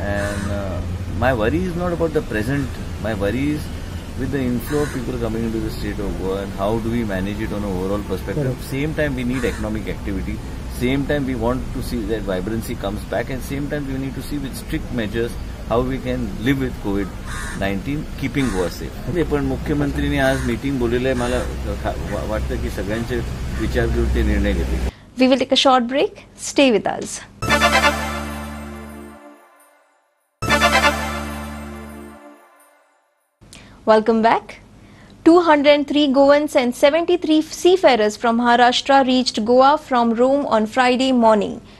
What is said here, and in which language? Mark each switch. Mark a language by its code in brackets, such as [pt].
[en] And my worry is not about the present. My worry is with the inflow of people coming into the state of Goa, and how do we manage it on an overall perspective. Correct. Same time we need economic activity. Same time we want to see that vibrancy comes back. And same time we need to see with strict measures how we can live with COVID-19, keeping Goa safe. [mr] पण मुख्यमंत्रींनी आज meeting बोलवलंय. मला वाटतं की सगळ्यांचे विचार घेऊन ते निर्णय घेतील. [en] We will take a short break. Stay with us. Welcome back. 203 Goans and 73 seafarers from Maharashtra reached Goa from Rome on Friday morning.